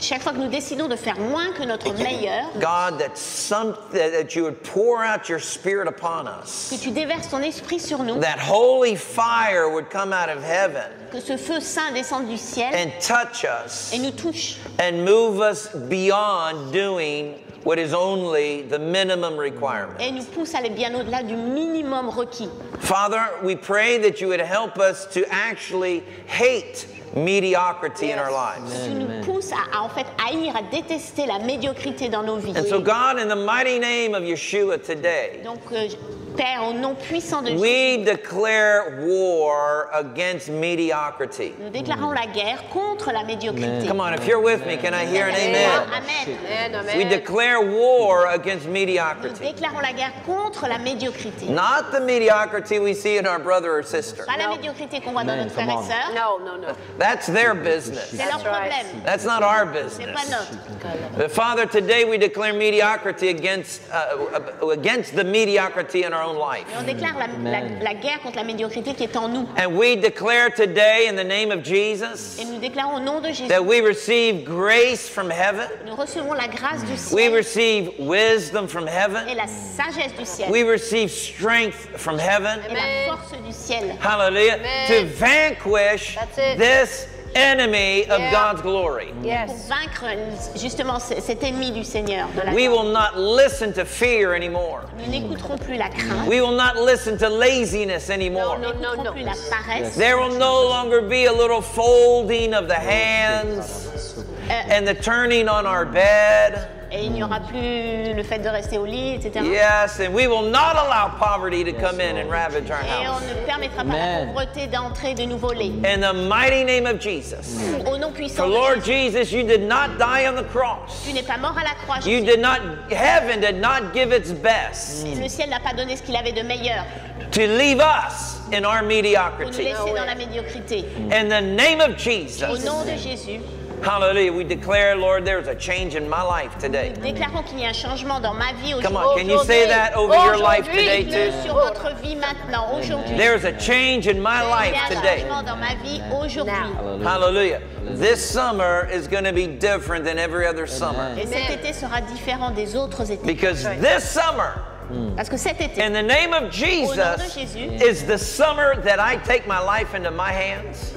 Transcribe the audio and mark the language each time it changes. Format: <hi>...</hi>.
<fr>Chaque fois que nous décidons de faire moins que notre meilleur.</fr> <en>God, that you would pour out your spirit upon us.</en> <fr>Que tu déverses ton esprit sur nous.</fr> <en>That holy fire would come out of heaven.</en> <fr>Que ce feu saint descende du ciel.</fr> <en>And touch us.</en> <fr>Et nous touche.</fr> <en>And move us beyond doing what is only the minimum requirement.</en> <fr>Et nous pousse à aller bien au-delà du minimum requis.</fr> <en>Father, we pray that you would help us to actually hate mediocrity in our lives.</en> <fr>Tu nous pousses à en fait haïr, à détester la médiocrité dans nos vies.</fr> <en>And so God, in the mighty name of Yeshua today,</en> <fr>donc, Père, au nom puissant de</fr> <en>Jésus, we declare war against mediocrity.</en> <fr>Nous déclarons la guerre contre la médiocrité.</fr> <en>Come on, if you're with me, can I hear an amen? Amen. Amen. We declare war against mediocrity.</en> <fr>Nous déclarons la guerre contre la médiocrité.</fr> <en>Not the mediocrity we see in our brother or sister.</en> <fr>Pas la médiocrité qu'on voit dans notre frère et sœur.</fr> <en>No, no, no. That's their business.</en> <fr>C'est leur problème.</fr> <en>That's not our business.</en> <fr>C'est pas notre.</fr> <en>But Father, today we declare mediocrity against the mediocrity in our own life.</en> <fr>Et on déclare la guerre contre la médiocrité qui est en nous.</fr> <en>And we declare today in the name of Jesus,</en> <fr>et nous déclarons au nom de Jésus,</fr> <en>that we receive grace from heaven.</en> <fr>Nous recevons la grâce du ciel.</fr> <en>We receive wisdom from heaven.</en> <fr>Et la sagesse du ciel.</fr> <en>We receive strength from heaven.</en> <fr>Amen. Et la force du ciel. Hallelujah. Amen.</fr> <en>To vanquish this enemy of God's glory. Yes.</en> <fr>Vaincre justement cet ennemi du Seigneur.</fr> <en>We will not listen to fear anymore.</en> <fr>Nous n'écouterons plus la crainte.</fr> <en>We will not listen to laziness anymore.</en> <fr>No. Plus la paresse.</fr> <en>There will no longer be a little folding of the hands and the turning on our bed.</en> <fr>et il n'y aura plus le fait de rester au lit, etc.</fr> <en>Yes, and we will not allow poverty to come in and ravage our house.</en> <fr>Et on ne permettra pas la pauvreté d'entrer de nouveau lait.</fr> <en>In the mighty name of Jesus.</en> <fr>Au nom puissant de Jésus.</fr> <en>Lord Jesus, you did not die on the cross.</en> <fr>Tu n'es pas mort à la croix.</fr> <en>You did not, heaven did not give its best.</en> <fr>Le ciel n'a pas donné ce qu'il avait de meilleur.</fr> <en>To leave us in our mediocrity.</en> <fr>Pour nous laisser dans la médiocrité.</fr> <en>In the name of Jesus.</en> <fr>Au nom de Jésus.</fr> <en>Hallelujah. We declare, Lord, there's a change in my life today.</en> <fr>Nous déclarons qu'il y a un changement dans ma vie aujourd'hui.</fr> <en>Come on, can you say that over your life today too?</en> <fr>Aujourd'hui, sur votre vie maintenant, aujourd'hui.</fr> <en>There's a change in my life today.</en> <fr>Il y a un changement dans ma vie aujourd'hui. Hallelujah.</fr> <en>This summer is going to be different than every other summer.</en> <fr>Et cet été sera différent des autres étés.</fr> <en>Because this summer,</en> <fr>parce que cet été,</fr> <en>in the name of Jesus,</en> <fr>au nom de Jésus,</fr> <en>is the summer that I take my life into my hands.</en>